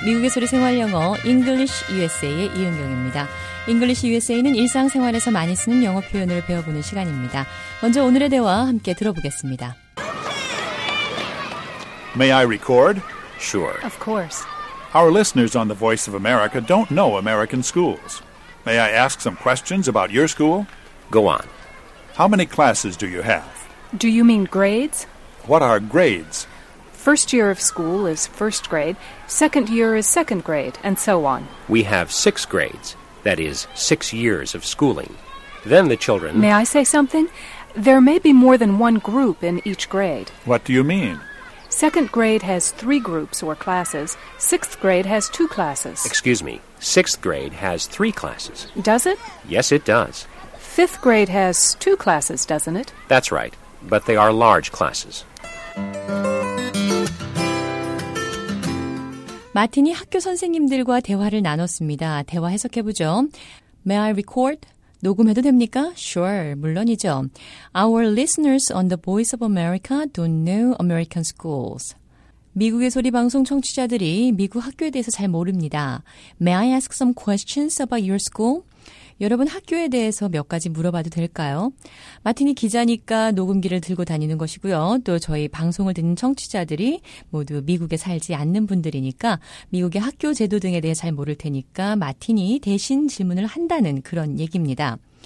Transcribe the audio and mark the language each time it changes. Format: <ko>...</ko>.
<ko>미국의 소리 생활 영어 English USA의 이은경입니다. English USA는 일상생활에서 많이 쓰는 영어 표현을 배워보는 시간입니다. 먼저 오늘의 대화 함께 들어보겠습니다.</ko> <en>May I record? Sure. Of course. Our listeners on the Voice of America don't know American schools. May I ask some questions about your school? Go on. How many classes do you have? Do you mean grades? What are grades? First year of school is first grade, second year is second grade, and so on. We have six grades, that is, 6 years of schooling. Then the children... May I say something? There may be more than one group in each grade. What do you mean? Second grade has three groups or classes, sixth grade has two classes. Excuse me, sixth grade has three classes. Does it? Yes, it does. Fifth grade has two classes, doesn't it? That's right, but they are large classes.</en> <ko>마틴이 학교 선생님들과 대화를 나눴습니다. 대화 해석해보죠.</ko> <en>May I record?</en> <ko>녹음해도 됩니까?</ko> <en>Sure,</en> <ko>물론이죠.</ko> <en>Our listeners on the Voice of America don't know American schools.</en> <ko>미국의 소리 방송 청취자들이 미국 학교에 대해서 잘 모릅니다.</ko> <en>May I ask some questions about your school?</en> <ko>여러분 학교에 대해서 몇 가지 물어봐도 될까요? 마틴이 기자니까 녹음기를 들고 다니는 것이고요. 또 저희 방송을 듣는 청취자들이 모두 미국에 살지 않는 분들이니까 미국의 학교 제도 등에 대해 잘 모를 테니까 마틴이 대신 질문을 한다는 그런 얘기입니다.</ko>